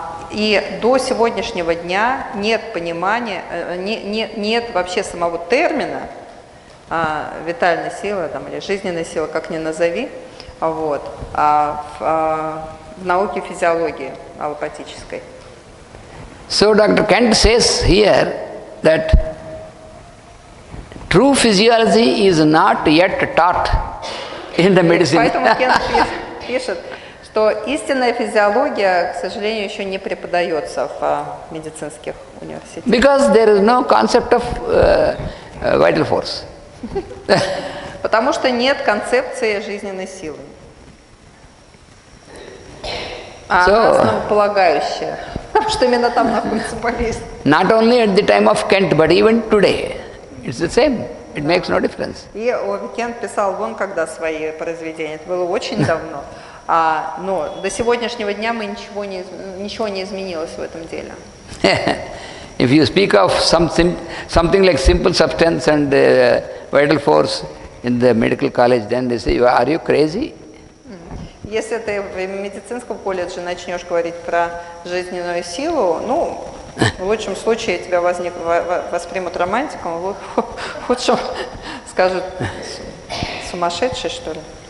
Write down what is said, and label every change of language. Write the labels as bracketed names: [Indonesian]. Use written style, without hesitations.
[Russian] И до сегодняшнего дня нет понимания, нет вообще самого термина, витальной силы там, или жизненной силы, как ни назови, вот, в науке физиологии аллопатической. [English] So Dr. Kent says here that true physiology is not yet taught in the medicine. [Russian] Поэтому Кент пишет, что истинная физиология, к сожалению, еще не преподается в медицинских университетах. [English] Because there is no concept of vital force. [Russian] Потому что нет концепции жизненной силы. А она основополагающая. Потому что именно там находится болезнь. [English] Not only at the time of Kent, but even today. It's the same. It makes no difference. [Russian] И Кент писал вон когда свои произведения. Это было очень давно. Но до сегодняшнего дня мы ничего не изменилось в этом деле. [English] If you speak of something like simple substance and vital force in the medical college, then they say, "Are you crazy?" [Russian] Если ты в медицинском колледже начнешь говорить про жизненную силу, в лучшем случае тебя воспримут романтиком, в худшем скажут сумасшедший, что ли.